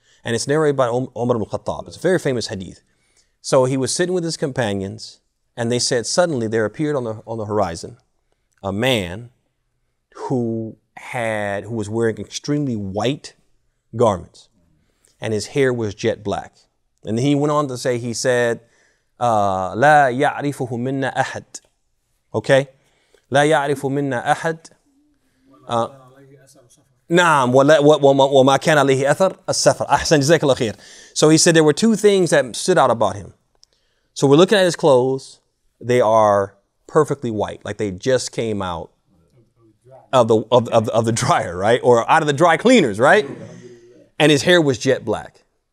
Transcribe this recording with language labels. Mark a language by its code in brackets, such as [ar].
[en] And it's narrated by Umar ibn al-Khattab. It's a very famous hadith. So he was sitting with his companions, and they said, suddenly there appeared on the horizon a man who was wearing extremely white garments, and his hair was jet black. And he went on to say, he said, [ar] لا يعرفه منا أحد. [en] Okay? [ar] لا يعرفه منا أحد. نعم وما كان عليه أثر السفر. أحسن جزاك الله خير. [en] So he said there were two things that stood out about him. So we're looking at his clothes. They are perfectly white, like they just came out of the dryer, right? Or out of the dry cleaners, right? And his hair was jet black.